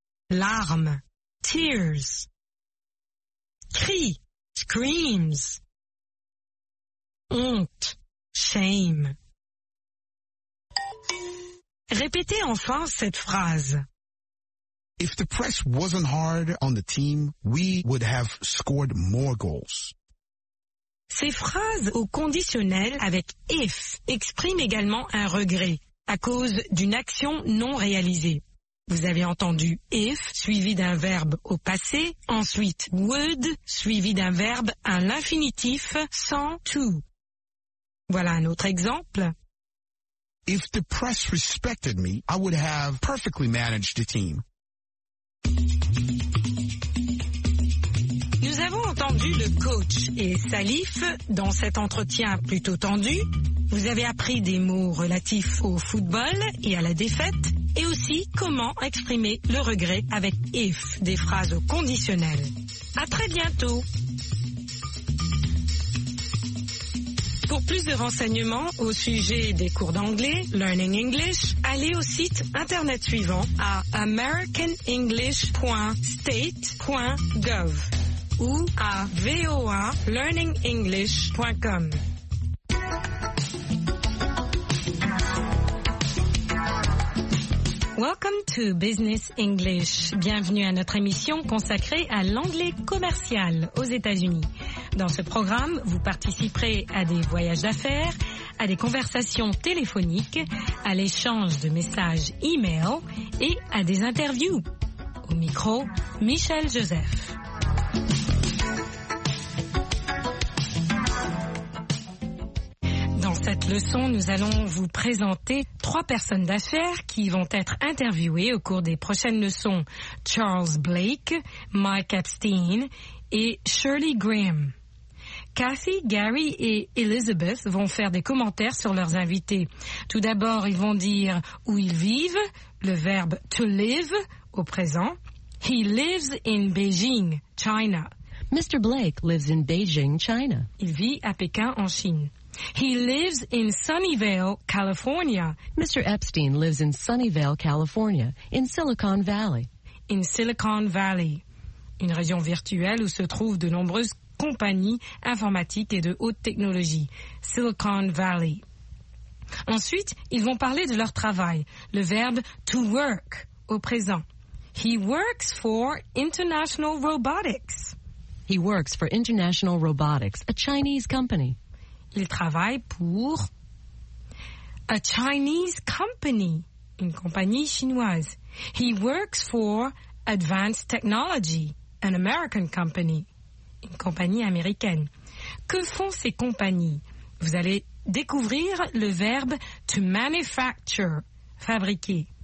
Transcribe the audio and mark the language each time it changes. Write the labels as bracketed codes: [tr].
[fr] Larmes, tears. Cri, screams. Honte. Shame. Répétez enfin cette phrase. [en] If the press wasn't hard on the team, we would have scored more goals. [fr] Ces phrases au conditionnel avec if expriment également un regret à cause d'une action non réalisée. Vous avez entendu if suivi d'un verbe au passé, ensuite would suivi d'un verbe à l'infinitif sans to. Voilà un autre exemple. [en] If the press respected me, I would have perfectly managed the team. [fr] Nous avons entendu le coach et Salif dans cet entretien plutôt tendu. Vous avez appris des mots relatifs au football et à la défaite et aussi comment exprimer le regret avec if, des phrases au conditionnel. À très bientôt. Pour plus de renseignements au sujet des cours d'anglais, Learning English, allez au site internet suivant à americanenglish.state.gov ou à voalearningenglish.com. [en] Welcome to Business English. [fr] Bienvenue à notre émission consacrée à l'anglais commercial aux États-Unis. Dans ce programme, vous participerez à des voyages d'affaires, à des conversations téléphoniques, à l'échange de messages e-mail et à des interviews. Au micro, Michel Joseph. Dans cette leçon, nous allons vous présenter trois personnes d'affaires qui vont être interviewées au cours des prochaines leçons. Charles Blake, Mike Epstein et Shirley Graham. Kathy, Gary et Elizabeth vont faire des commentaires sur leurs invités. Tout d'abord, ils vont dire où ils vivent, le verbe to live au présent. [en] He lives in Beijing, China. Mr. Blake lives in Beijing, China. [fr] Il vit à Pékin, en Chine. [en] He lives in Sunnyvale, California. Mr. Epstein lives in Sunnyvale, California, in Silicon Valley. [fr] In Silicon Valley, une région virtuelle où se trouvent de nombreuses compagnies informatiques et de haute technologie. Silicon Valley. Ensuite, ils vont parler de leur travail. Le verbe to work au présent. [en] He works for International Robotics. He works for International Robotics, a Chinese company. [fr] Il travaille pour [en] a Chinese company, [fr] une compagnie chinoise. [en] He works for Advanced Technology, an American company, [fr] une compagnie américaine. Que font ces compagnies? Vous allez découvrir le verbe to manufacture, fabriquer.